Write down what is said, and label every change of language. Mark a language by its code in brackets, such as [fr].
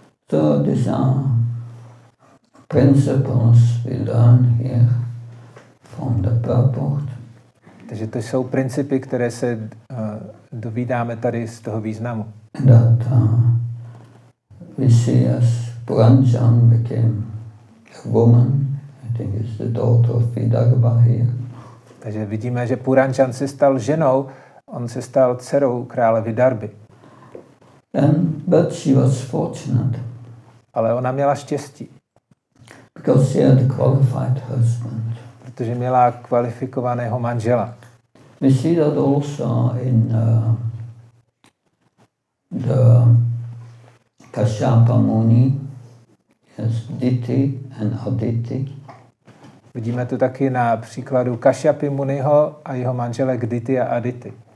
[en] So these are principles we learn here from the purport. [cs] Takže to jsou principy, které se dovídáme tady z toho významu. [en] That we see as Puranjan became a woman. I think it's the daughter of Vidarbha here. [cs] Takže vidíme, že Puranjan se stal ženou. On se stal dcerou krále Vidarby. [en] But she was fortunate. [cs] Ale ona měla štěstí. [en] Because she had a qualified husband. [cs] Protože měla kvalifikovaného manžela. [en] We see that also in the Kashyapa Muni, yes, Diti and Aditi. [cs] Vidíme to taky na příkladu Kashyapa Muniho a jeho manželek Diti a Aditi.